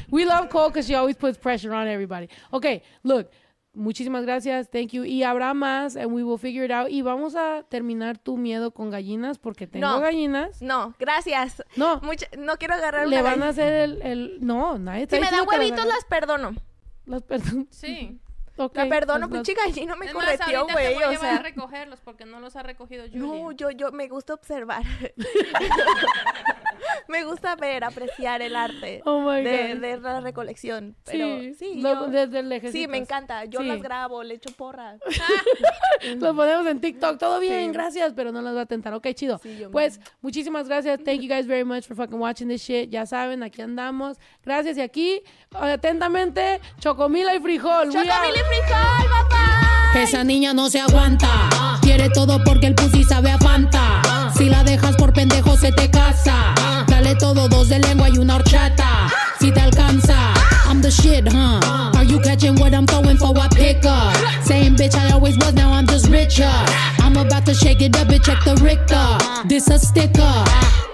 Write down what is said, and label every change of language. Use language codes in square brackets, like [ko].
[en] We love Cole because she always puts pressure on everybody. Okay, look. [es] Muchísimas gracias. [en] Thank you. [es] Y habrá más. [en] And we will figure it out. [es] Y vamos a terminar tu miedo con gallinas porque tengo gallinas. No, gracias. No. No quiero agarrar una. Le van a hacer el. No, nadie te. Si me dan huevitos, las perdono. Las perdono. Sí. Okay, la perdono, pues, pinche gallina me correteó, güey. Es más, ahorita a llevar a recogerlos porque no los ha recogido Julie. No, yo me gusta observar. Me gusta ver, apreciar el arte de la recolección. Sí, me encanta. Yo las grabo, le echo porras. Lo ponemos en TikTok. Todo bien, gracias, pero no las va a tentar. Ok, chido. Muchísimas gracias. [en] Thank you guys very much for fucking watching this shit. [es] Ya saben, aquí andamos. Gracias. Y aquí, atentamente, chocomila y frijol. Chocomila y frijol, papá. Esa niña no se aguanta. Quiere todo porque el pussy sabe a Fanta. Si la dejas por pendejo, se te casa. Dale todo, dos de lengua y una horchata. Si te alcanza, [en] I'm the shit, huh? Are you catching what I'm throwing for? I pick up. Same bitch I always was, now I'm just richer. I'm about to shake it up and check the Richter. This a sticker.